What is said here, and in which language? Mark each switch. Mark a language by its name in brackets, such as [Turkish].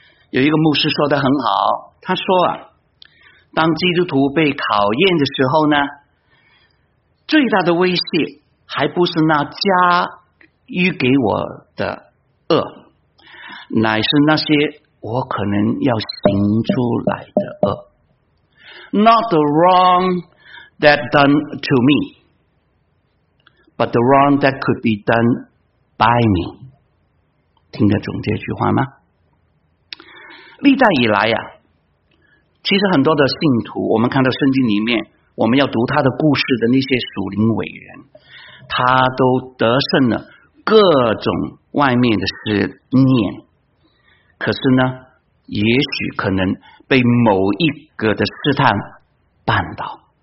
[Chinese] 有一个牧师说得很好，他说啊，当基督徒被考验的时候呢，最大的威胁还不是那加于给我的恶，乃是那些我可能要行出来的恶。 [English] Not the wrong that done to me, but the wrong that could be done by me。 [Chinese] 听得懂这句话吗？历代以来啊，其实很多的信徒，我们看到圣经里面我们要读他的故事的那些属灵伟人，他都得胜了各种外面的试炼，可是呢，也许可能被某一个的试探绊倒。